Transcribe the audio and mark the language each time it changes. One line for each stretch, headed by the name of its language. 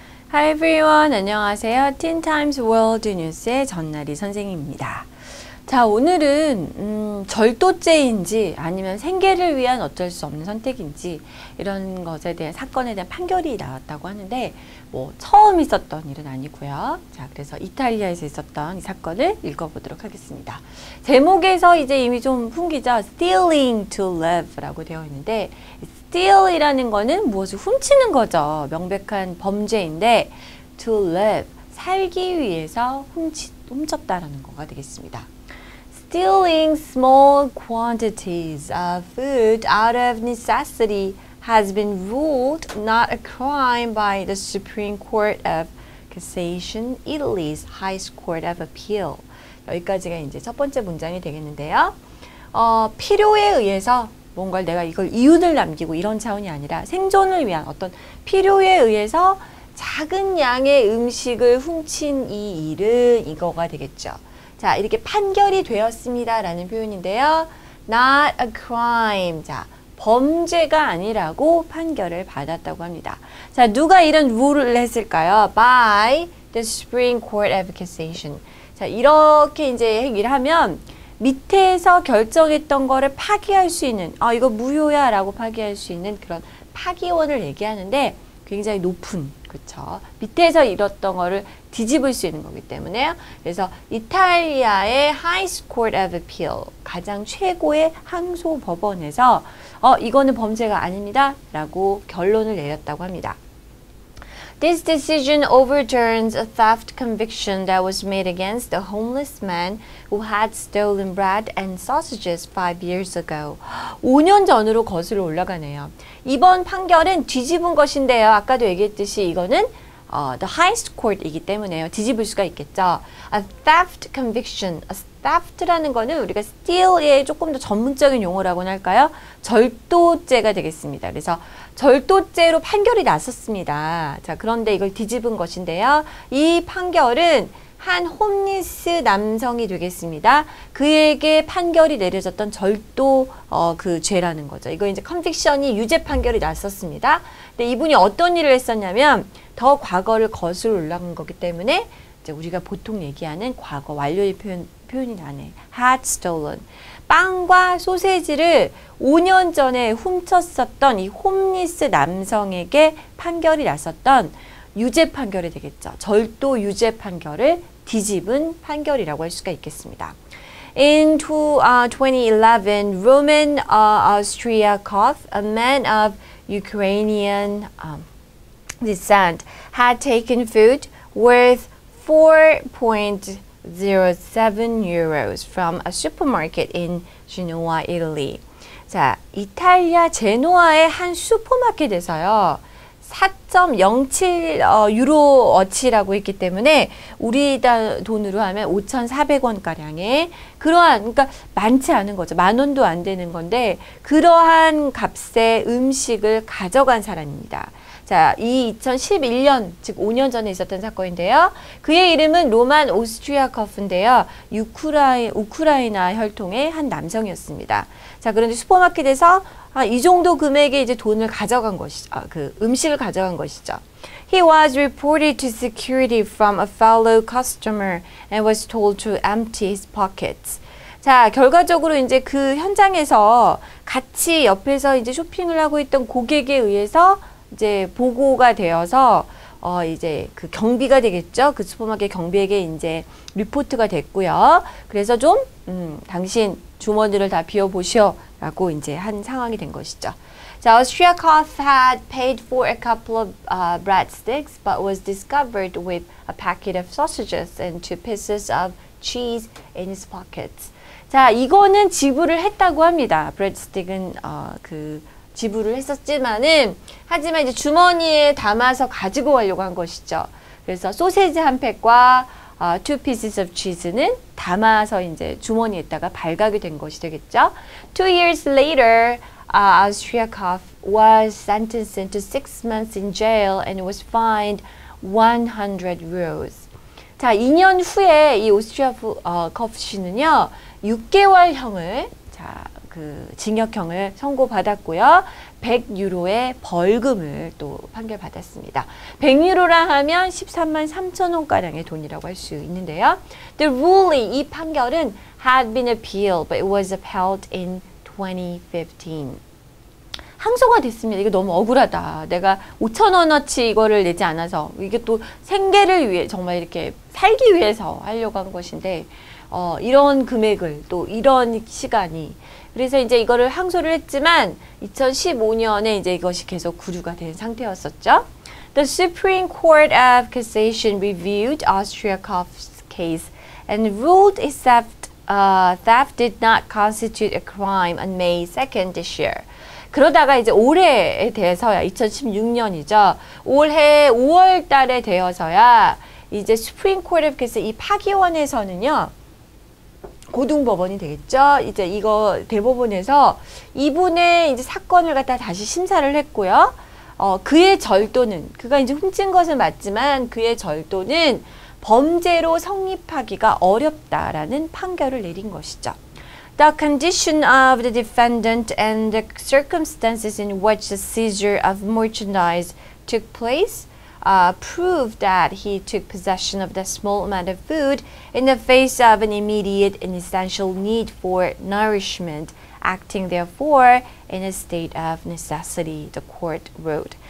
English: Hi everyone,
Korean: 안녕하세요. Teen Times World News의 전나리 선생님입니다. 자, 오늘은 절도죄인지 아니면 생계를 위한 어쩔 수 없는 선택인지 이런 것에 대한 사건에 대한 판결이 나왔다고 하는데 뭐 처음 있었던 일은 아니고요. 자, 그래서 이탈리아에서 있었던 이 사건을 읽어보도록 하겠습니다. 제목에서 이제 이미 좀 풍기죠. Stealing to Live라고 되어 있는데 Steal이라는 거는 무엇을 훔치는 거죠. 명백한 범죄인데
English: to live,
Korean: 살기 위해서 훔쳤다라는 거가 되겠습니다.
English: Stealing small quantities of food out of necessity has been ruled not a crime by the Supreme Court of Cassation, Italy's highest court of appeal.
Korean: 여기까지가 이제 첫 번째 문장이 되겠는데요. 필요에 의해서 뭔가 내가 이걸 이윤을 남기고 이런 차원이 아니라 생존을 위한 어떤 필요에 의해서 작은 양의 음식을 훔친 이 일은 이거가 되겠죠. 자, 이렇게 판결이 되었습니다 라는 표현인데요.
English: Not a crime.
Korean: 자, 범죄가 아니라고 판결을 받았다고 합니다. 자, 누가 이런 rule을 했을까요?
English: By the Supreme Court of Cassation.
Korean: 자, 이렇게 이제 얘기를 하면 밑에서 결정했던 거를 파기할 수 있는 이거 무효야 라고 파기할 수 있는 그런 파기원을 얘기하는데 굉장히 높은 그쵸 밑에서 이뤘던 거를 뒤집을 수 있는 거기 때문에 그래서 이탈리아의 Highest Court of Appeal 가장 최고의 항소법원에서 이거는 범죄가 아닙니다 라고 결론을 내렸다고 합니다.
English: This decision overturns a theft conviction that was made against a homeless man who had stolen bread and sausages 5 years ago.
Korean: 5년 전으로 거슬러 올라가네요. 이번 판결은 뒤집은 것인데요. 아까도 얘기했듯이 이거는
English: the highest court
Korean: 이기 때문에요. 뒤집을 수가 있겠죠.
English: A theft conviction.
Korean: A theft라는 거는 우리가 steal의 조금 더 전문적인 용어라고 할까요? 절도죄가 되겠습니다. 그래서 절도죄로 판결이 났었습니다. 자, 그런데 이걸 뒤집은 것인데요. 이 판결은 한 홈리스 남성이 되겠습니다. 그에게 판결이 내려졌던 절도 그 죄라는 거죠. 이거 이제 컨빅션이 유죄 판결이 났었습니다. 근데 이분이 어떤 일을 했었냐면 더 과거를 거슬러 올라간 거기 때문에 이제 우리가 보통 얘기하는 과거 완료의 표현이 나네.
English: Had stolen.
Korean: 빵과 소세지를 5년 전에 훔쳤었던 이 홈리스 남성에게 판결이 났었던 유죄 판결이 되겠죠. 절도 유죄 판결을 뒤집은 판결이라고 할 수가 있겠습니다.
English: In 2011, Roman Ostriakov, a man of Ukrainian descent, had taken food worth 4.07 euros from a supermarket in Genoa, Italy.
Korean: 자, 이탈리아 제노아의 한 슈퍼마켓에서요. 4.07 유로어치라고 했기 때문에 우리 돈으로 하면 5,400원가량의 그러한 그러니까 많지 않은 거죠. 만 원도 안 되는 건데 그러한 값의 음식을 가져간 사람입니다. 자, 이 2011년, 즉 5년 전에 있었던 사건인데요. 그의 이름은 로만 오스트리아커프인데요. 우크라이나 혈통의 한 남성이었습니다. 자, 그런데 슈퍼마켓에서 이 정도 금액의 이제 돈을 가져간 것이죠. 음식을 가져간 것이죠.
English: He was reported to security from a fellow customer and was told to empty his pockets.
Korean: 자, 결과적으로 이제 그 현장에서 같이 옆에서 이제 쇼핑을 하고 있던 고객에 의해서 이제 보고가 되어서 이제 그 경비가 되겠죠. 그 슈퍼마켓 경비에게 이제 리포트가 됐고요. 그래서 좀 당신 주머니를 다 비워 보시오. 라고 이제 한 상황이 된 것이죠.
English: 자, Ostriakov had paid for a couple of breadsticks but was discovered with a packet of sausages and 2 pieces of cheese in his pockets.
Korean: 자, 이거는 지불을 했다고 합니다. breadstick은 지불을 했었지만은 하지만 이제 주머니에 담아서 가지고 가려고 한 것이죠. 그래서 소세지 한 팩과
English: two pieces of cheese
Korean: 는 담아서 이제 주머니에다가 발각이 된 것이 되겠죠.
English: 2 years later, Ostriakov was sentenced to 6 months in jail and was fined 100 euros.
Korean: 자, 2년 후에 이 오스트리아커프 씨는요, 6개월 형을 그 징역형을 선고받았고요. 100유로의 벌금을 또 판결받았습니다. 100유로라 하면 13만 3천 원가량의 돈이라고 할 수 있는데요.
English: The ruling,
Korean: 이 판결은
English: had been appealed, but it was upheld in 2015.
Korean: 항소가 됐습니다. 이거 너무 억울하다. 내가 5천 원어치 이거를 내지 않아서 이게 또 생계를 위해 정말 이렇게 살기 위해서 하려고 한 것인데 이런 금액을 또 이런 시간이 그래서 이제 이거를 항소를 했지만 2015년에 이제 이것이 계속 구류가 된 상태였었죠.
English: The Supreme Court of Cassation reviewed Ostryakov's case and ruled its theft did not constitute a crime on May 2nd this year.
Korean: 그러다가 이제 올해에 대해서야 2016년이죠. 올해 5월 달에 되어서야 이제 스프림 코트 오브 이 파기원에서는요. 고등법원이 되겠죠. 이제 이거 대법원에서 이분의 이제 사건을 갖다 다시 심사를 했고요. 그의 절도는 그가 이제 훔친 것은 맞지만 그의 절도는 범죄로 성립하기가 어렵다라는 판결을 내린 것이죠.
English: The condition of the defendant and the circumstances in which the seizure of merchandise took place prove that he took possession of the small amount of food in the face of an immediate and essential need for nourishment, acting therefore in a state of necessity, the court wrote.